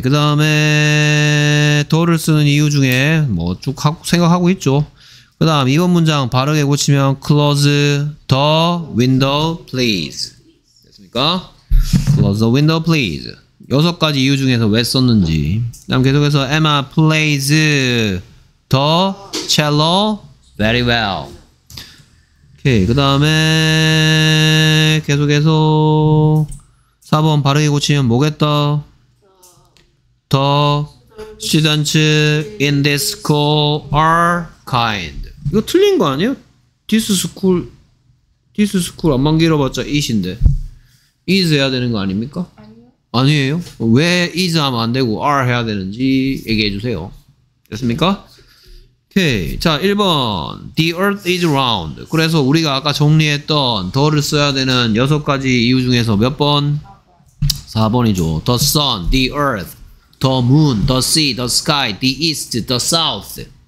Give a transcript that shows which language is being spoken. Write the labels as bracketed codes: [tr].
[ko] 그 다음에 더를 쓰는 이유 중에 뭐 쭉 생각하고 있죠. 그 다음 이번 문장 바르게 고치면 [en] close the window please. [ko] 됐습니까? [en] Close the window please. [ko] 여섯 가지 이유 중에서 왜 썼는지. 다음 계속해서 [en] Emma plays the cello very well. [ko] 오케이. 그 다음에 계속해서 4번 바르게 고치면 뭐겠다? [en] The students in this school are kind. [ko] 이거 틀린 거 아니에요? This school 안만 길어봤자 is인데 is 해야 되는 거 아닙니까? 아니에요. 왜 is 하면 안 되고 are 해야 되는지 얘기해 주세요. 됐습니까? 오케이. 자, 1번. [en] The earth is round. [ko] 그래서 우리가 아까 정리했던 더를 써야 되는 여섯 가지 이유 중에서 몇 번? 4번이죠. [en] The sun, the earth, the moon, the sea, the sky, the east, the south.